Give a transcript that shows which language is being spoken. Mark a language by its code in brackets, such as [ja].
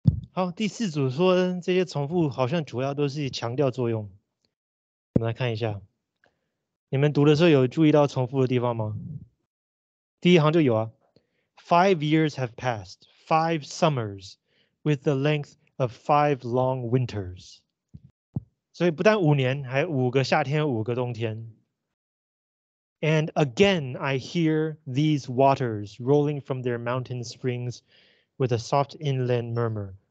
[zh] 好，第四组说这些重复好像主要都是强调作用。我们来看一下，你们读的时候有注意到重复的地方吗？第一行就有啊， [en] 5 years have passed, 5 summers, with the length of 5 long winters. [zh] 所以不但五年，还五个夏天，五个冬天。 [en] And again I hear these waters rolling from their mountain springs with a soft inland murmur.